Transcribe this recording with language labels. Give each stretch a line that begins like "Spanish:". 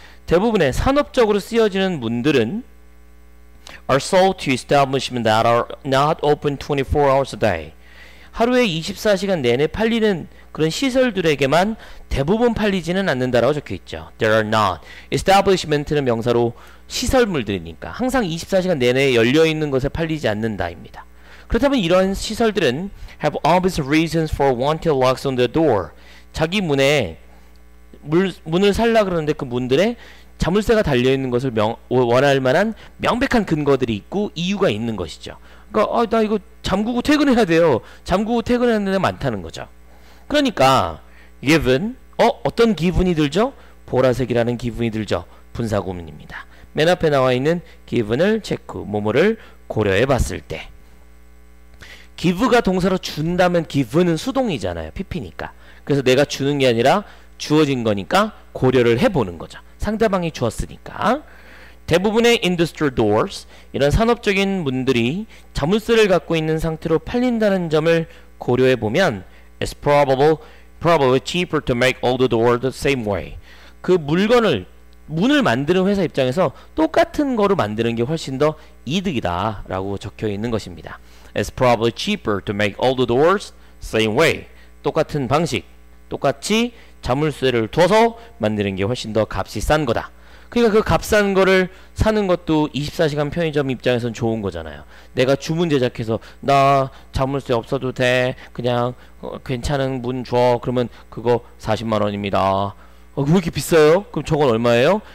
Korean: 대부분의 산업적으로 쓰여지는 문들은
English: are sold to establishments that are not open 24 hours a day.
Korean: 하루에 24시간 내내 팔리는 그런 시설들에게만 대부분 팔리지는 않는다라고 적혀있죠.
English: There are not.
Korean: Establishment는 명사로 시설물들이니까 항상 24시간 내내 열려있는 것에 팔리지 않는다입니다. 그렇다면 이런 시설들은
English: have obvious reasons for wanting locks on the door.
Korean: 자기 문에 문을 살라 그러는데 그 문들에 자물쇠가 달려있는 것을 원할 만한 명백한 근거들이 있고 이유가 있는 것이죠. 그러니까 아, 나 이거 잠그고 퇴근해야 돼요. 잠그고 퇴근하는 데 많다는 거죠. 그러니까 given 어떤 기분이 들죠? 보라색이라는 기분이 들죠. 분사 고민입니다. 맨 앞에 나와 있는 given을 체크, 뭐뭐를 고려해 봤을 때 give가 동사로 준다면 give는 수동이잖아요. pp니까. 그래서 내가 주는 게 아니라 주어진 거니까 고려를 해보는 거죠. 상대방이 주었으니까. 대부분의
English: industrial doors,
Korean: 이런 산업적인 문들이 자물쇠를 갖고 있는 상태로 팔린다는 점을 고려해 보면
English: it's probably cheaper to make all the doors the same way.
Korean: 그 물건을, 문을 만드는 회사 입장에서 똑같은 거로 만드는 게 훨씬 더 이득이다 라고 적혀 있는 것입니다.
English: It's probably cheaper to make all the doors same way.
Korean: 똑같은 방식, 똑같이 자물쇠를 둬서 만드는 게 훨씬 더 값이 싼 거다. 그러니까 그 값싼 거를 사는 것도 24시간 편의점 입장에선 좋은 거잖아요. 내가 주문 제작해서 나 자물쇠 없어도 돼, 그냥 괜찮은 문 줘, 그러면 그거 40만원입니다 왜 이렇게 비싸요? 그럼 저건 얼마예요?